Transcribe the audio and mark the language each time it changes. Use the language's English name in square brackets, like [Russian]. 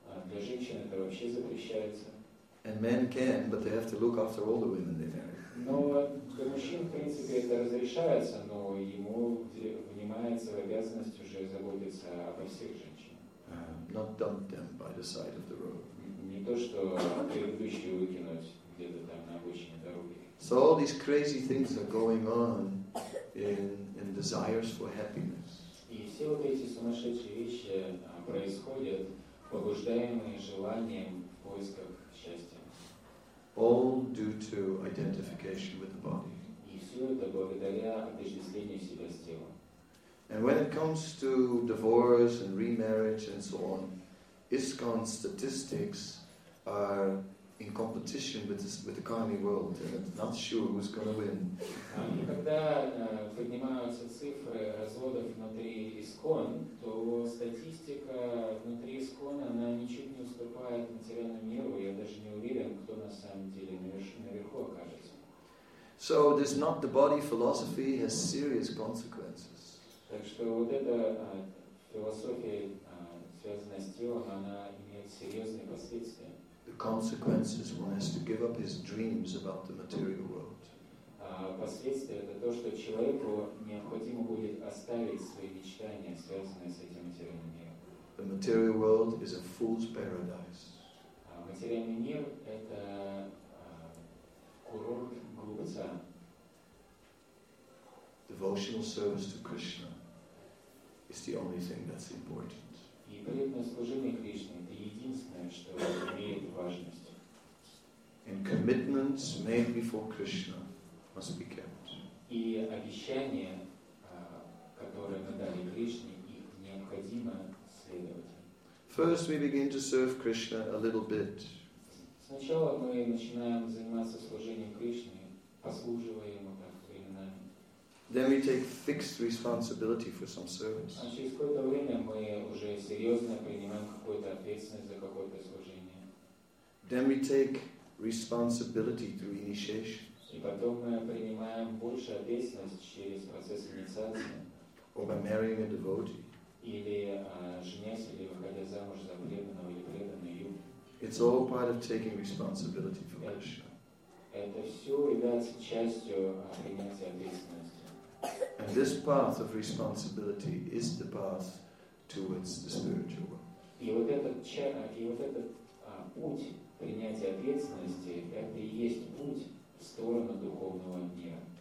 [Russian] Для женщин это вообще запрещается. [English] And men can, but they have to look after all the women they marry. [Russian] Но для мужчин, в принципе, это разрешается, но ему внимается в обязанность уже заботиться обо всех женщинах. [English] Not dump them by the side of the road. [Russian] Не то, что предыдущие выкинуть где-то там на обочине дороги. [English] So all these crazy things are going on in desires for happiness. [Russian] И все вот эти сумасшедшие вещи происходят, побуждаемые желанием в поисках счастья. [English] All due to identification with the body. [Russian] И все это благодаря отождествлению себя с телом. [English] And when it comes to divorce and remarriage and so on, ISKCON statistics are in competition with the karmic world, and I'm not sure who's going to win. [Russian] Когда поднимаются цифры разводов внутри ИСКОН, то статистика внутри ИСКОН она ничуть не уступает материальному миру. Я даже не уверен, кто на самом деле наверху окажется. [English] So this not the body philosophy has serious consequences. [Russian] Так что вот эта философия, связанная с телом, она имеет серьезные последствия. [English] The consequences one has to give up his dreams about the material world. [Russian] Последствия это то, что человеку необходимо будет оставить свои мечтания, связанные с этим материальным миром. [English] The material world is a fool's paradise. [Russian] Материальный мир это курорт глупца. [English] Devotional service to Krishna is the only thing that's important. [Russian] И преданное служение Кришне это единственное, что имеет важность. [English] And commitments made before Krishna must be kept. [Russian] И обещания, которые мы дали Кришне, их необходимо следовать. [English] First we begin to serve Krishna a little bit. [Russian] Сначала мы начинаем заниматься служением Кришне, послуживая ему так временами. [English] Then we take fixed responsibility for some service. [Russian] А через какое-то время мы уже серьезно принимаем какую-то ответственность за какое-то служение. [English] Then we take responsibility through initiation. [Russian] И потом мы принимаем большую ответственность через процесс инициации. [English] Or by marrying a devotee. [Russian] Или женясь или выходя замуж за преданного или преданную. [English] It's all part of taking responsibility for Krishna. [Russian] Это все является частью принятия ответственности. [English] And this path of responsibility is the path towards the spiritual world. [Russian] И вот этот путь принятия ответственности это и есть путь в сторону духовного мира.